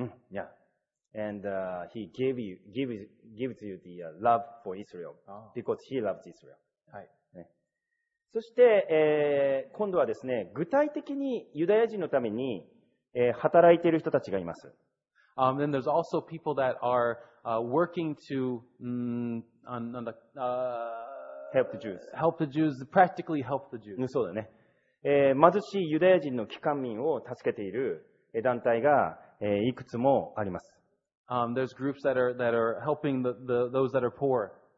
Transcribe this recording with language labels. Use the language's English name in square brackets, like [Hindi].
[English] Yeah, and He gives you the love for Israel because He loves Israel. [Japanese] はい。そして、今度はですね、具体的にユダヤ人のために、働いている人たちがいます。 [English] Then there's also people that are working to help the Jews, practically help the Jews. [Japanese] そうだね。貧しいユダヤ人の帰還民を助けている団体が、いくつもあります。 [English] There's groups that are helping those that are poor.